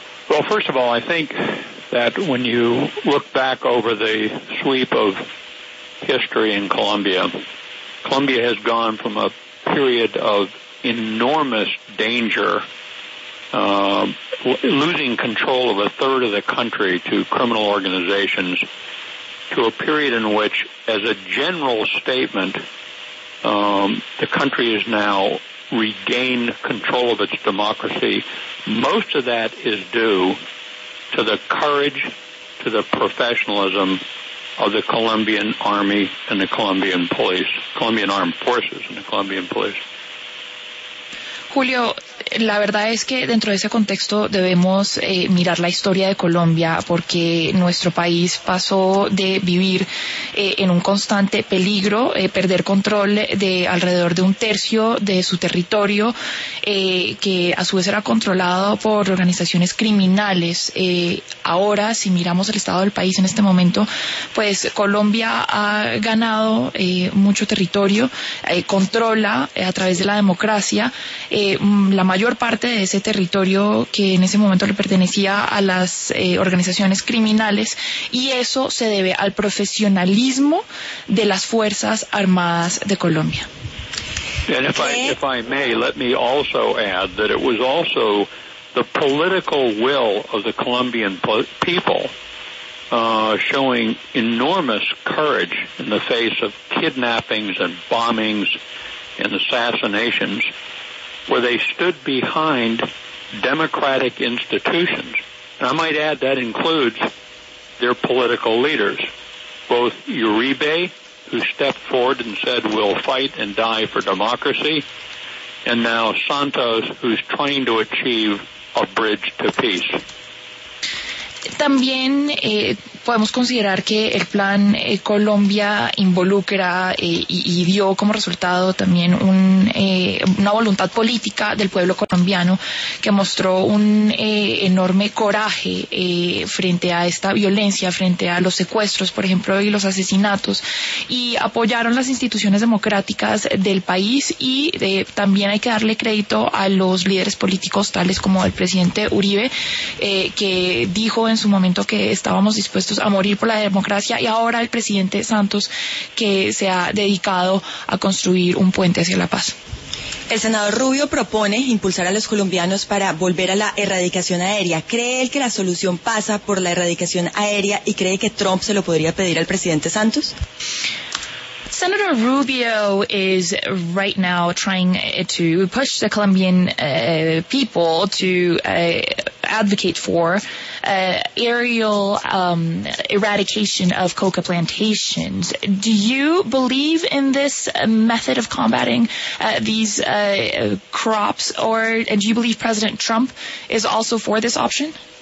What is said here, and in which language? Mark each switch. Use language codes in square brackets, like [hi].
[en] Well, first of all, I think that when you look back over the sweep of history in Colombia, Colombia has gone from a period of enormous danger, losing control of a third of the country to criminal organizations, to a period in which, as a general statement, the country has now regained control of its democracy. Most of that is due to the courage, to the professionalism of the Colombian Army and the Colombian police, Colombian Armed Forces and the Colombian police. [es] Julio, la verdad es que dentro de ese contexto debemos mirar la historia de Colombia, porque nuestro país pasó de vivir en un constante peligro, perder control de alrededor de un tercio de su territorio, que a su vez era controlado por organizaciones criminales. Ahora, si miramos el estado del país en este momento, pues Colombia ha ganado mucho territorio, controla a través de la democracia la mayor parte de ese territorio que en ese momento le pertenecía a las organizaciones criminales, y eso se debe al profesionalismo de las Fuerzas Armadas de Colombia. [en] And if I may, let me also add that it was also the political will of the Colombian people showing enormous courage in the face of kidnappings and bombings and assassinations, where they stood behind democratic institutions. And I might add that includes their political leaders, both Uribe, who stepped forward and said, we'll fight and die for democracy, and now Santos, who's trying to achieve a bridge to peace. [es] También podemos considerar que el Plan Colombia involucra y dio como resultado también una voluntad política del pueblo colombiano, que mostró un enorme coraje frente a esta violencia, frente a los secuestros, por ejemplo, y los asesinatos, y apoyaron las instituciones democráticas del país, y también hay que darle crédito a los líderes políticos tales como el presidente Uribe, que dijo en su momento que estábamos dispuestos a morir por la democracia, y ahora el presidente Santos, que se ha dedicado a construir un puente hacia la paz. El senador Rubio propone impulsar a los colombianos para volver a la erradicación aérea. ¿Cree él que la solución pasa por la erradicación aérea, y cree que Trump se lo podría pedir al presidente Santos? [en] Senator Rubio is right now trying to push the Colombian people to advocate for aerial eradication of coca plantations. Do you believe in this method of combating these crops, or do you believe President Trump is also for this option?